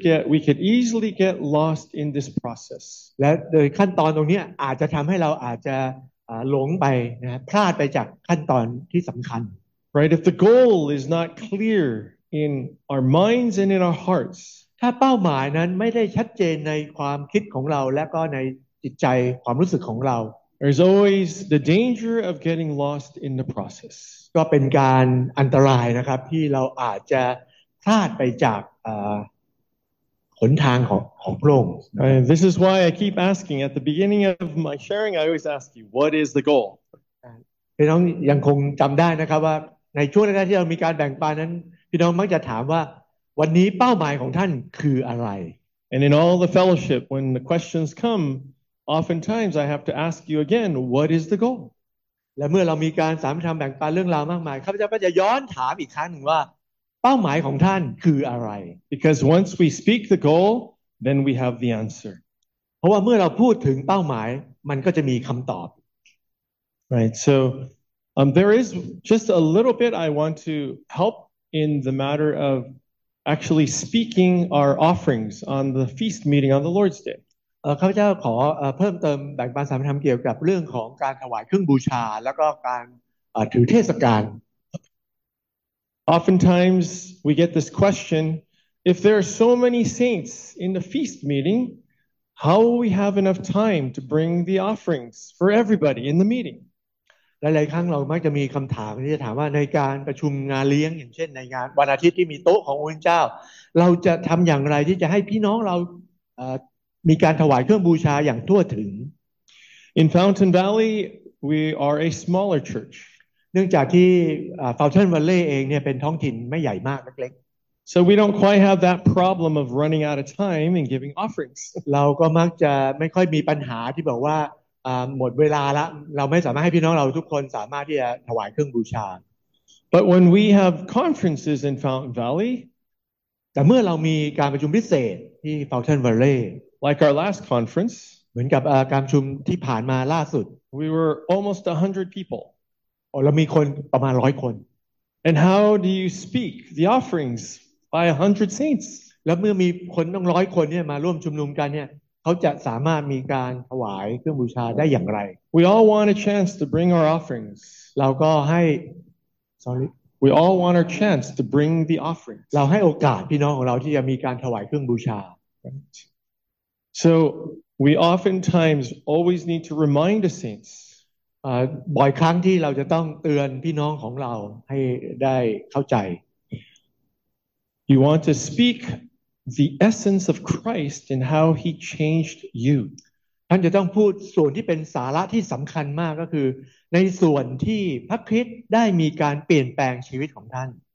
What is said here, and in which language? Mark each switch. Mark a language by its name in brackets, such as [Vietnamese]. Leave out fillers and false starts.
[English] we could easily get lost in this process. [Thai] และโดยขั้นตอนตรงนี้อาจจะทำให้เราอาจจะหลงไปนะพลาดไปจากขั้นตอนที่สำคัญ [English] Right, if the goal is not clear in our minds and in our hearts, [Thai] ถ้าเป้าหมายนั้นไม่ได้ชัดเจนในความคิดของเราและก็ในจิตใจความรู้สึกของเรา [English] there's always the danger of getting lost in the process. [Thai] ก็เป็นการอันตรายนะครับที่เราอาจจะพลาดไปจากหนทางของพระองค์ [English] This is why I keep asking at the beginning of my sharing I always ask you what is the goal [Thai] พี่น้องยังคงจำได้นะครับว่าในช่วงแรกที่เรามีการแบ่งปันนั้นพี่น้องมักจะถามว่าวันนี้เป้าหมายของท่านคืออะไร [English] And in all the fellowship when the questions come oftentimes I have to ask you again what is the goal [Thai] และเมื่อเรามีการสามัคคีแบ่งปันเรื่องราวมากมายข้าพเจ้าก็จะย้อนถามอีกครั้งนึงว่าเป้าหมายของท่านคืออะไร [English] Because once we speak the goal, then we have the answer. [Thai] เพราะว่าเมื่อเราพูดถึงเป้าหมายมันก็จะมีคำตอบ [English] Right, so there is just a little bit I want to help in the matter of actually speaking our offerings on the feast meeting on the Lord's Day. [Thai] ข้าพเจ้าขอเพิ่มเติมแบ่งปันสารธรรมเกี่ยวกับเรื่องของการถวายเครื่องบูชาแล้วก็การถือเทศกาล [English] Oftentimes we get this question: If there are so many saints in the feast meeting, how will we have enough time to bring the offerings for everybody in the meeting? [Thai] หลายๆครั้งเรามักจะมีคำถามที่จะถามว่าในการประชุมงานเลี้ยงอย่างเช่นในงานวันอาทิตย์ที่มีโต๊ะขององค์เจ้าเราจะทำอย่างไรที่จะให้พี่น้องเรามีการถวายเครื่องบูชาอย่างทั่วถึง [English] In Fountain Valley, we are a smaller church. [Thai] เนื่องจากที่ Fountain Valley เองเนี่ยเป็นท้องถิ่นไม่ใหญ่มากเล็ก [English] ๆ So we don't quite have that problem of running out of time and giving offerings [Thai] เราก็มักจะไม่ค่อยมีปัญหาที่บอกว่าหมดเวลาละเราไม่สามารถให้พี่น้องเราทุกคนสามารถที่จะถวายเครื่องบูชา [English] But when we have conferences in Fountain Valley [Thai] แต่เมื่อเรามีการประชุมพิเศษที่ Fountain Valley [English] Like our last conference, [Thai] เหมือนกับการชุมที่ผ่านมาล่าสุด [English] we were almost 100 people. [Thai] เรามีคนประมาณ100คน [English] And how do you speak the offerings by 100 saints? [Thai] แล้วเมื่อมีคนต้อง100คนเนี่ยมาร่วมชุมนุมกันเนี่ยเขาจะสามารถมีการถวายเครื่องบูชาได้อย่างไร [English] We all want a chance to bring our offerings. [Thai] เราก็ให้ [English] We all want our chance to bring the offerings. [Thai] เราให้โอกาสพี่น้องของเราที่จะมีการถวายเครื่องบูชา [English] right. So we oftentimes always need to remind the saints. [Thai] บ่อยครั้งที่เราจะต้องเตือนพี่น้องของเราให้ได้เข้าใจ [English] You want to speak the essence of Christ and how he changed you. [Thai] ท่านจะต้องพูดส่วนที่เป็นสาระที่สำคัญมากก็คือในส่วนที่พระคริสต์ได้มีการเปลี่ยนแปลงชีวิตของท่าน